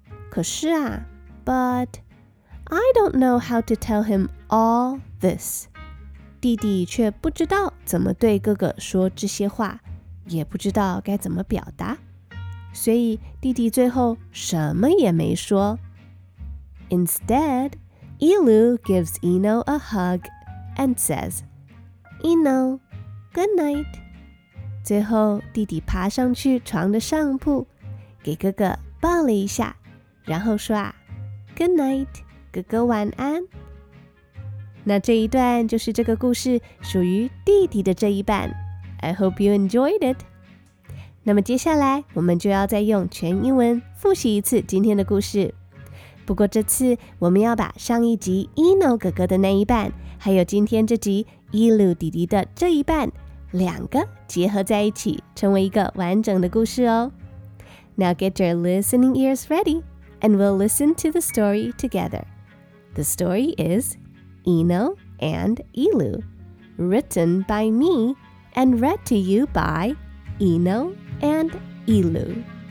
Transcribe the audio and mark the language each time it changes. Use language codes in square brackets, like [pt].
[zh] 可是啊 [en] But I don't know how to tell him all this. [zh] 弟弟却不知道怎么对哥哥说这些话，也不知道该怎么表达，所以弟弟最后什么也没说。 [en] Instead, Ilu gives Eno a hug and says, Eno, good night. [zh] 最后弟弟爬上去床的上铺，给哥哥抱了一下，然后说啊 [en] Good night, [zh] 哥哥晚安。那这一段就是这个故事属于弟弟的这一半。 [en] I hope you enjoyed it. [zh] 那么接下来我们就要再用全英文复习一次今天的故事。不过这次我们要把上一集 Eno 哥哥的那一半，还有今天这集 Ilu 弟弟的这一半，两个结合在一起，成为一个完整的故事哦。 [en] Now get your listening ears ready, and we'll listen to the story together. The story is... Eno and Ilu, written by me and read to you by Eno and Ilu.